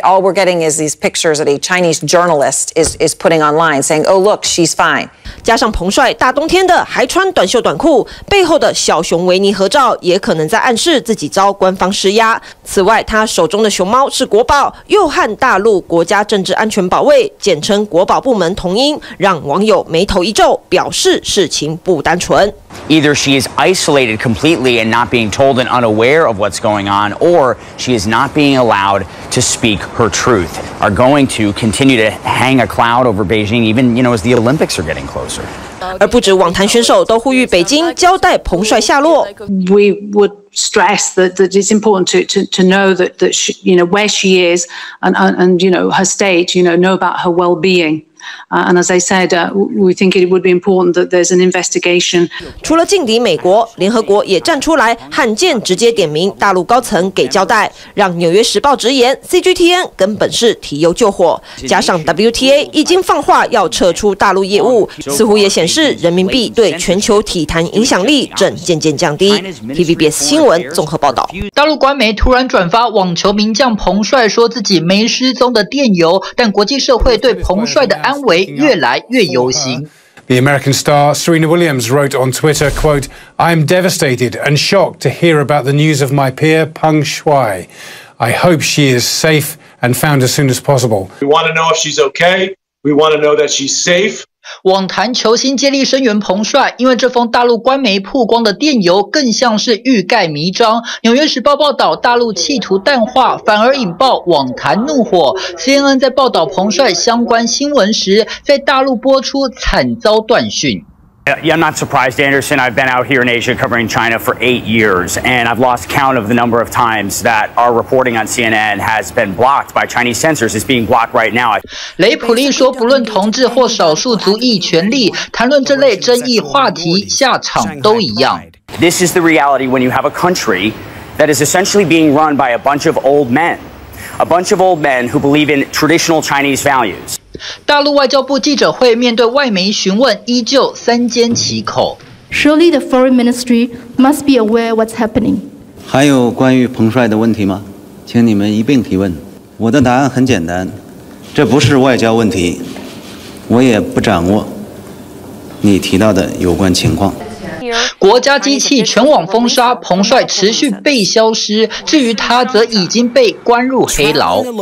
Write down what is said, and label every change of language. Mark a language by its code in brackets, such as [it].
[en] All we're getting is these pictures that a Chinese journalist is putting online saying, oh, look, she's fine. [zh] 加上彭帅大冬天的还穿短袖短裤，背后的小熊维尼合照也可能在暗示自己遭官方施压。此外，他手中的熊猫是国宝，又和大陆国家政治安全保卫，简称国宝部门同音，让网友眉头一皱，表示事情不单纯。 [en] Either she is isolated completely and not being told and unaware of what's going on, or she is not being allowed to speak her truth. Are going to continue to hang a cloud over Beijing, even, you know, as the Olympics are getting closer. [zh] 而不止网坛选手都呼吁北京交代彭帅下落。 [en] We would stress that it's important to know that she, you know, where she is and you know her state, you know about her well-being. And as I said, we think it would be important that there's an investigation. [zh] 除了劲敌美国，联合国也站出来，罕见直接点名大陆高层给交代，让《纽约时报》直言 CGTN 根本是提油救火。加上 WTA 已经放话要撤出大陆业务，似乎也显示人民币对全球体坛影响力正渐渐降低。 TVBS 新闻综合报道。大陆官媒突然转发网球名将彭帅说自己没失踪的电邮，但国际社会对彭帅的安危越来越忧心。 [en] The American star Serena Williams wrote on Twitter, quote, I am devastated and shocked to hear about the news of my peer Peng Shuai. I hope she is safe and found as soon as possible. We want to know if she's okay. We want to know that she's safe. [zh] 网坛球星接力声援彭帅，因为这封大陆官媒曝光的电邮更像是欲盖弥彰。纽约时报报道，大陆企图淡化，反而引爆网坛怒火。 CNN 在报道彭帅相关新闻时，在大陆播出惨遭断讯。 [en] Yeah, I'm not surprised, Anderson. I've been out here in Asia covering China for 8 years, and I've lost count of the number of times that our reporting on CNN has been blocked by Chinese censors. It's being blocked right now. [zh] 雷普利说，不论同志或少数族裔权利，谈论这类争议话题，下场都一样。 [en] This is the reality when you have a country that is essentially being run by a bunch of old men, a bunch of old men who believe in traditional Chinese values. [zh] 大陆外交部记者会面对外媒询问，依旧三缄其口。 [en] Surely the foreign ministry must be aware what's happening. [zh] 还有关于彭帅的问题吗？请你们一并提问。我的答案很简单，这不是外交问题，我也不掌握你提到的有关情况。国家机器全网封杀，彭帅持续被消失，至于他则已经被关入黑牢。